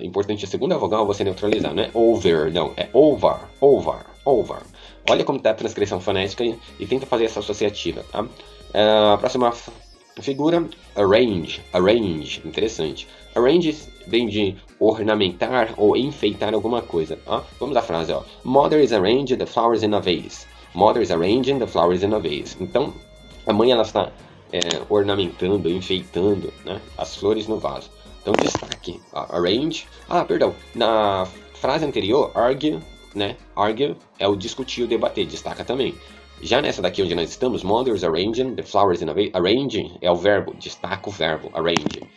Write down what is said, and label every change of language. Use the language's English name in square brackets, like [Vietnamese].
[Portuguese] Importante a segunda vogal você neutralizar, não é over, não. É over, over, over. Olha como está a transcrição fonética e tenta fazer essa associativa, tá? A próxima figura, arrange. Arrange, interessante. Arrange vem de ornamentar ou enfeitar alguma coisa. Ó. Vamos à frase, ó. [English] Mother is arranging the flowers in a vase. Mother is arranging the flowers in a vase. [Portuguese] Então, a mãe, ela está ornamentando, enfeitando, né, as flores no vaso. Então, destaque, ó, arrange. Ah, perdão, na frase anterior, argue, né, argue é o discutir, o debater, destaca também. Já nessa daqui onde nós estamos, mother's arranging the flowers in a vase. Arranging é o verbo, destaca o verbo, arrange.